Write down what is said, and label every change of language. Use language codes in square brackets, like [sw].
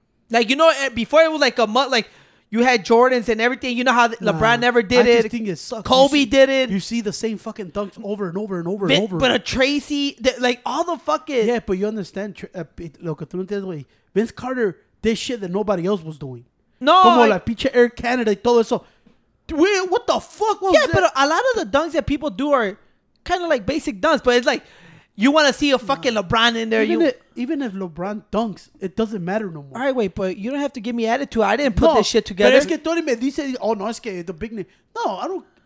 [en] Like, you know, before it was like a month, like, you had Jordans and everything. You know how LeBron never did it. I just think it sucks. Kobe did it. You see the same fucking dunks over and over and over and over. But a Tracy, like, all the fucking. Yeah, but you understand, Vince Carter did shit that nobody else was doing. No. [es] Como la pinche Air Canada y todo eso. [en] Wait, what the fuck was that? Yeah, but a lot of the dunks that people do are kind of like basic dunks, but it's like, you want to see a fucking LeBron in there. Even if LeBron dunks, it doesn't matter no more. All right, wait, but you don't have to give me attitude. I didn't put this shit together. [es] Pero es que Tony me dice, oh, no, es que [en] the big name. No, I don't.